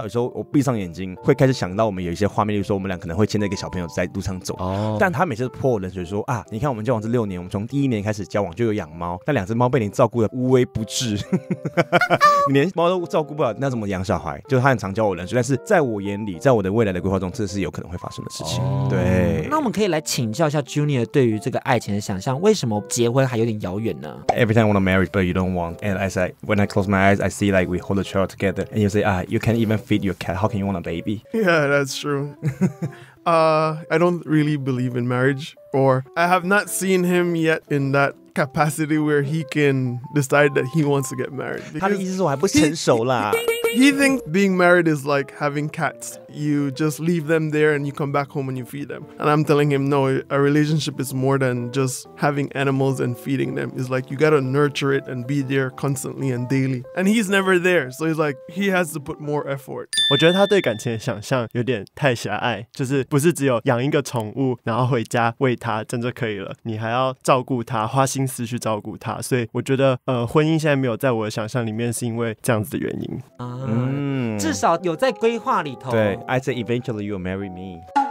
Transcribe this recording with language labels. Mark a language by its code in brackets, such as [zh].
[zh] 有时候我闭上眼睛会开始想到我们有一些画面，例如说我们俩可能会牵着一个小朋友在路上走、哦、但他每次泼我冷水说啊，你看我们交往这六年，我们从第一年开始交往就有养猫，那两只猫被你照顾的无微不至你连猫都照顾不了那怎么养小孩，就他很常浇我冷水，但是在我眼里，在我的未来的规划中，这是有可能会发生的事情、哦、对。那我们可以来请教一下 Junior 对于这个爱情的想象，为什么结婚还有点遥远呢？ [en] Every time I want to marry but you don't want, and as I when I close my eyes I see like we hold a child together and you say ah you can't even feed your cat, how can you want a baby? Yeah, that's true. I don't really believe in marriage, or I have not seen him yet in that capacity where he can decide that he wants to get married. [zh] 他的意思是我还不成熟啦。 [en] He thinks being married is like having cats. You just leave them there and you come back home and you feed them. And I'm telling him, no, a relationship is more than just having animals and feeding them. It's like you gotta nurture it and be there constantly and daily. And he's never there. So he's like, he has to put more effort. [zh] 我觉得他对感情的想象有点太狭隘，就是不是只有养一个宠物然后回家喂他这样就可以了，你还要照顾他，花心思去照顾他。所以我觉得婚姻现在没有在我的想象里面是因为这样子的原因。嗯，至少有在规划里头。 [en] 对 ，I say eventually you'll marry me。